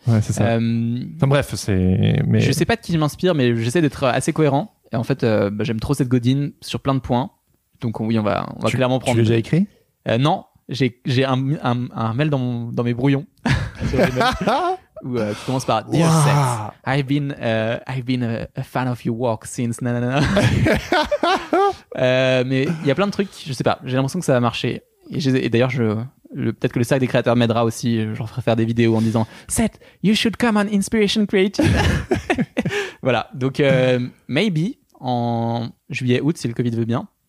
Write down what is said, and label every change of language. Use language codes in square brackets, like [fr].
[fr] Ouais, c'est ça. Enfin, bref, c'est. Mais... Je sais pas de qui je m'inspire, mais j'essaie d'être assez cohérent. Et en fait, j'aime trop Seth Godin sur plein de points. Donc, oui, on va tu, clairement prendre. Tu l'as déjà écrit? Non. J'ai un mail dans mes brouillons. Ou tu commences par [en] Dear Seth, wow. I've been a fan of your work since nanana. [fr] mais il y a plein de trucs, je sais pas, j'ai l'impression que ça va marcher. Et d'ailleurs, peut-être que le cercle des créateurs m'aidera aussi. J'en ferai faire des vidéos en disant Seth, [en] you should come on Inspiration Creative. [fr] Voilà, donc maybe en juillet-août si le Covid veut bien.